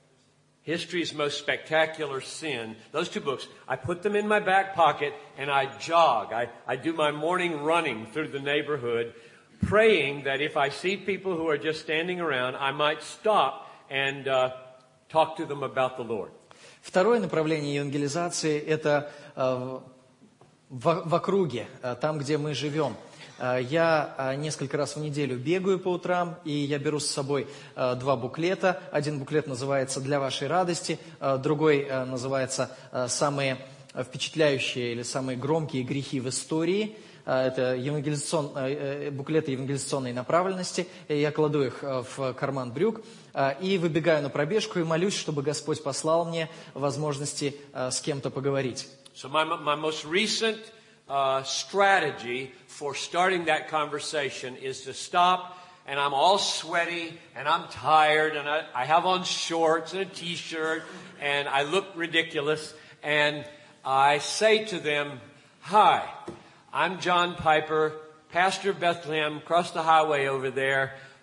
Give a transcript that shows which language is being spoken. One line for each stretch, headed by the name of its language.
English: What? History's Most Spectacular Sin. Those two books, I put them in my back pocket and I jog. I do my morning running through the neighborhood, praying that if I see people who are just standing around, I might stop and talk to them about the Lord.
Russian: Второе направление евангелизации – это в округе, там, где мы живем. Я несколько раз в неделю бегаю по утрам, и я беру с собой 2 буклета. Один буклет называется «Для вашей радости», другой называется «Самые впечатляющие или самые громкие грехи в истории». это буклеты евангелизационной направленности, я кладу их в карман брюк и выбегаю на пробежку и молюсь, чтобы Господь послал мне возможности с кем-то поговорить.
English: So my most recent strategy for starting that conversation is to stop, and I'm all sweaty, and I'm tired, and I have on shorts and a t-shirt, and I look ridiculous, and I say to them, "Hi, I'm John Piper, pastor of Bethlehem, across the highway over there.